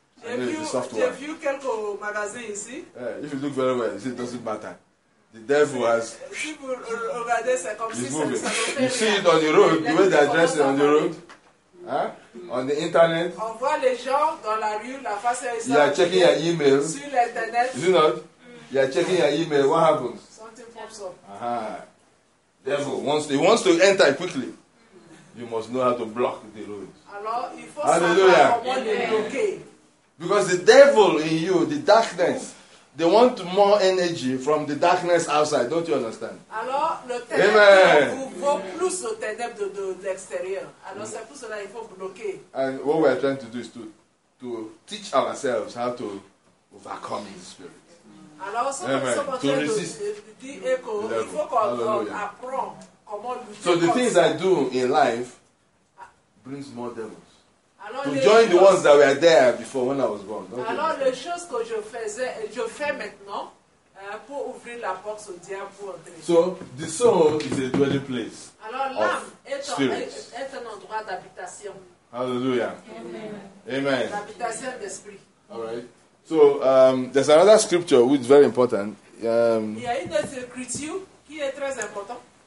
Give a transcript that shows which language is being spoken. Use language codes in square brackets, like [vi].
[en] If you look very well, it doesn't matter. The devil has. You see it on the road, the way they're dressing on the road. On the internet. [fr] On voit les gens dans la rue, la face est. [en] You are checking your email. [fr] Sur l'internet. [en] Is it not? You are checking your email. What happens? Something pops up. Devil wants. He wants to enter quickly. You must know how to block the road. Hallelujah. Okay. Because the devil in you, the darkness, they want more energy from the darkness outside. Don't you understand? [fr] Alors, le ténèbre vaut plus au ténèbre de l'extérieur. Alors, c'est pour cela qu'il faut bloquer. [en] And what we are trying to do is to teach ourselves how to overcome the spirit. Alors, to resist. Hallelujah. So the things I do in life brings more devils. To join the ones that were there before when I was born. [fr] Alors les choses que je faisais, je fais maintenant pour ouvrir la porte au diable pour entrer. [en] So the soul is a dwelling place. [fr] Alors l'âme est un endroit d'habitation. Hallelujah. Amen. Amen. L'habitation d'esprit. [en] All right. So there's another scripture which is very important. [fr] Il y a une scripture qui est très important.